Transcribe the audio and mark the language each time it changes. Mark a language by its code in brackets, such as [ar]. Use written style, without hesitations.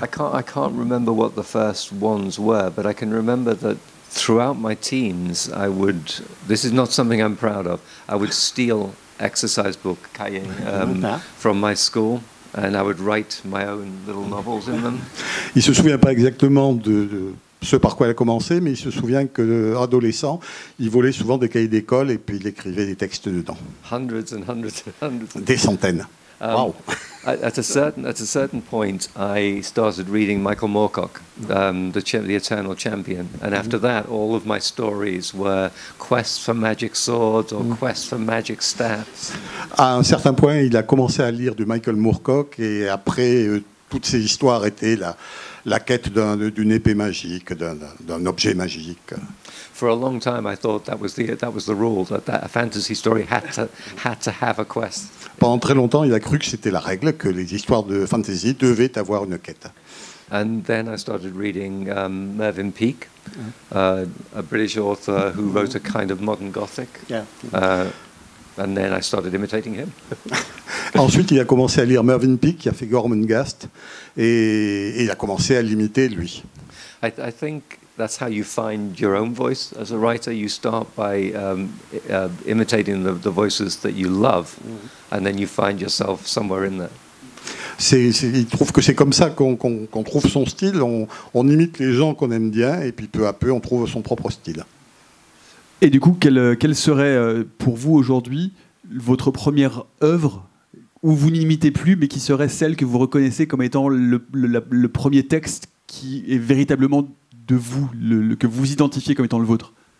[en] I can't remember what the first ones were, but I can remember that throughout my teens, I would. This is not something I'm proud of. I would steal exercise book cahiers from my school. And I would write my own little novels in them. [fr] Il se souvient pas exactement de ce par quoi elle a commencé, mais il se souvient que adolescent, il volait souvent des cahiers d'école et puis il écrivait des textes dedans. [en] Hundreds and hundreds and hundreds. [fr] Des centaines. Wow. [en] At a certain point, I started reading Michael Moorcock, the Eternal Champion, and after that, all of my stories were quests for magic swords or quests for magic staffs. [fr] À un certain point, il a commencé à lire du Michael Moorcock, et après, toutes ces histoires étaient la quête d'une épée magique, d'un objet magique. [en] For a long time, I thought that was the rule that a fantasy story had to have a quest. [fr] Pendant très longtemps, il a cru que c'était la règle, que les histoires de fantasy devaient avoir une quête. [en] And then I started reading Mervyn Peake, a British author who wrote a kind of modern Gothic. Yeah. And then I started imitating him. [fr] Ensuite, il a commencé à lire Mervyn Peake, qui a fait Gormenghast, et il a commencé à l'imiter lui. [en] I think that's how you find your own voice as a writer. You start by imitating the voices that you love. And then you find yourself somewhere in there. [fr] Il trouve que c'est comme ça qu'on trouve son style. On imite les gens qu'on aime bien, et puis peu à peu, on trouve son propre style. Et du coup, quelle serait pour vous aujourd'hui votre première œuvre où vous n'imitez plus, mais qui serait celle que vous reconnaissez comme étant le premier texte qui est véritablement de vous, le que vous identifiez comme étant le vôtre?